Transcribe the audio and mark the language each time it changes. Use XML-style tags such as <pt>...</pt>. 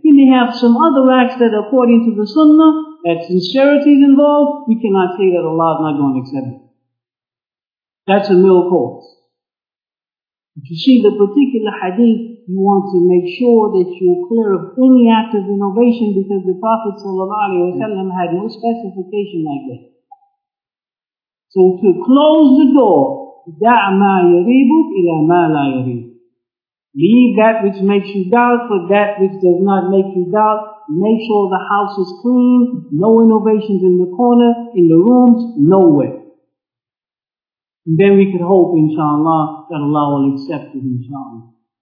<en>He may have some other acts that are according to the sunnah, that sincerity is involved, we cannot say that Allah is not going to accept it. That's a middle course. If you see the particular hadith, you want to make sure that you're clear of any act of innovation because the Prophet ﷺ had no specification like that. So to close the door,</en> <ar>دَعْ مَا يَرِيبُكْ إِلَى مَا لَا يَرِيبُكْ.</ar> <en>Leave that which makes you doubt for that which does not make you doubt. Make sure the house is clean, no innovations in the corner, in the rooms, nowhere. And then we could hope, inshallah, that Allah will accept it, inshallah.</en>